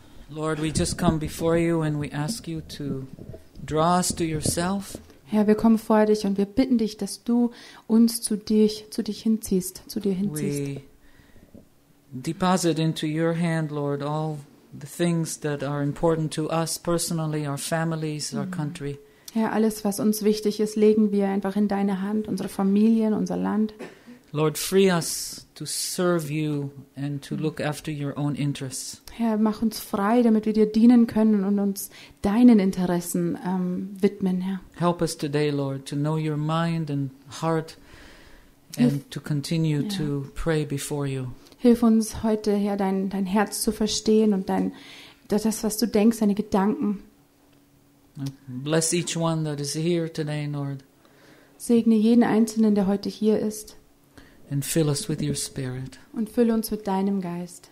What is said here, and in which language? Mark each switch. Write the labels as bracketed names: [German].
[English] Lord, we just come before you and we ask you to draw us to yourself. [German] Herr, wir kommen vor dich und wir bitten dich, dass du uns zu dir hinziehst. [English] We deposit into your hand, Lord, all the things that are important to us personally, our families, our country. [German] Herr, alles, was uns wichtig ist, legen wir einfach in deine Hand, unsere Familien, unser Land. [English] Lord, free us to serve you and to look after your own interests. [German] Herr, mach uns frei, damit wir dir dienen können und uns deinen Interessen widmen, Herr. [English] Help us today, Lord, to know your mind and heart and to continue to pray before you. [German] Hilf uns heute, Herr, dein Herz zu verstehen und das, was du denkst, deine Gedanken. [English] Bless each one that is here today, Lord. [German] Segne jeden Einzelnen, der heute hier ist. [English] And fill us with your spirit. [German] Und fülle uns mit deinem Geist.